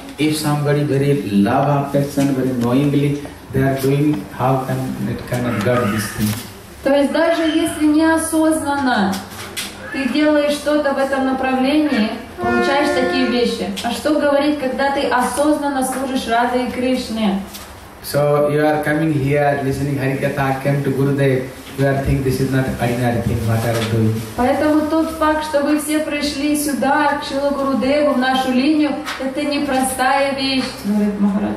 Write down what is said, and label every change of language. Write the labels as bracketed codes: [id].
[en] If somebody very love a person very knowingly, they are doing how can it kind of God this thing. [ru] То есть даже если неосознанно ты делаешь что-то в этом направлении, получаешь такие вещи. А что говорить, когда ты осознанно служишь Раде и Кришне? [en] So you are coming here, listening Harikatha, came to Gurudev. We are think this is not ordinary thing, what are you doing? [ru] Поэтому тот факт, что вы все пришли сюда, к Шрила Гурудеву, в нашу линию, это непростая вещь, говорит Махарадж.